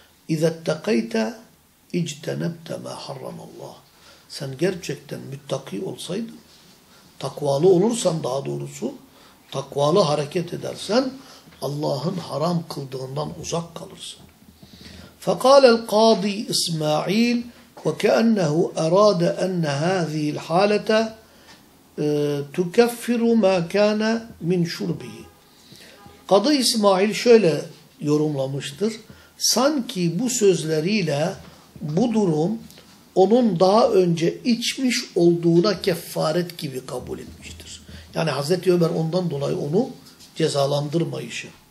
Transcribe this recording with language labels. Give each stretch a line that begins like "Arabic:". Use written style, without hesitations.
Arabic: اِذَا اتَّقَيْتَ اِجْتَنَبْتَ مَا حَرَّمَ اللّٰهِ.
Turkish: Sen gerçekten müttaki olsaydın, takvalı olursan daha doğrusu, takvalı hareket edersen Allah'ın haram kıldığından uzak kalırsın.
Arabic: فَقَالَ الْقَاضِي اِسْمَعِيلِ وكأنه أراد أن هذه الحالة تكفر ما كان من شربه.
Turkish: Kadı İsmail şöyle yorumlamıştır. Sanki bu sözleriyle bu durum onun daha önce içmiş olduğuna kefaret gibi kabul etmiştir. Yani Hazreti Ömer ondan dolayı onu cezalandırmayışı.